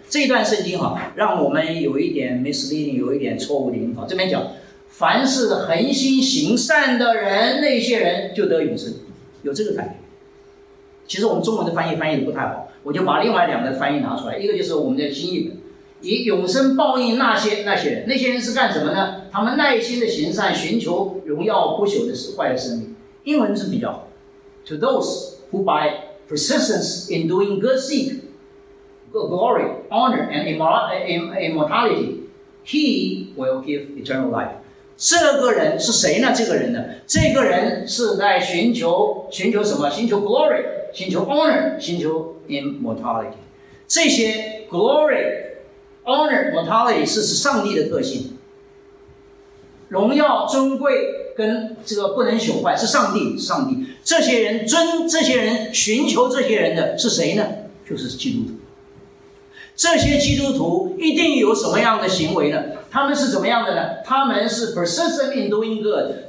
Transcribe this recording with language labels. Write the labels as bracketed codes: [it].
[zh] 这一段圣经哈，让我们有一点 misleading， 有一点错误的引导。这边讲，凡是恒心行善的人，那些人就得永生，有这个感觉。其实我们中文的翻译的不太好，我就把另外两个翻译拿出来，一个就是我们的新译本。以永生报应那些人，那些人是干什么呢？他们耐心的行善，寻求荣耀不朽的坏的生命。英文是比较好 [en] ，To those who by persistence in doing good seek glory, honor, and immortality, He will give eternal life。 [zh] 这个人是谁呢？这个人呢？这个人是在寻求什么？寻求 glory， 寻求 honor， 寻求 immortality。这些 glory。 [en] Honor, mortality [zh] 是上帝的特性，荣耀尊贵跟这个不能朽坏是上帝。这些人寻求这些人的是谁呢？就是基督徒。这些基督徒一定有什么样的行为呢？他们是怎么样的呢？他们是 [en] persistent in doing good。